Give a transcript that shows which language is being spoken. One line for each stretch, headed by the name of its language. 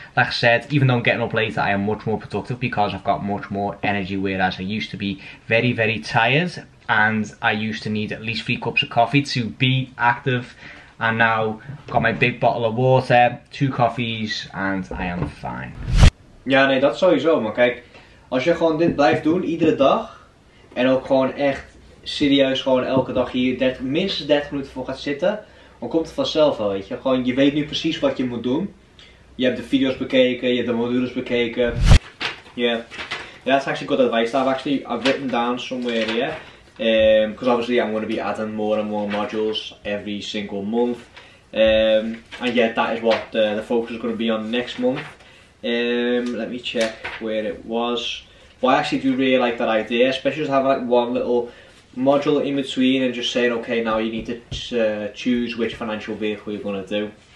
English: Like I said, even though I'm getting up later, I am much more productive because I've got much more energy, whereas I used to be very, very tired, and I used to need at least 3 cups of coffee to be active. And now I've got my big bottle of water, 2 coffees, and I am fine.
Dutch: Ja, nee, dat sowieso. Maar kijk, als je gewoon dit blijft doen, iedere dag. En ook gewoon echt serieus gewoon elke dag hier minstens 30 minuten voor gaat zitten. Dan komt het vanzelf wel, weet je. Gewoon, je weet nu precies wat je moet doen. Je hebt de video's bekeken, je hebt de modules bekeken. Yeah. Ja, dat is eigenlijk
English: good advice. I've written down somewhere here. Because obviously I'm going to be adding more and more modules every single month. And yeah, that is what the focus is going to be on next month. Let me check where it was. Well, I actually do really like that idea, especially just having like one little module in between and just saying, okay, now you need to choose which financial vehicle you're gonna do.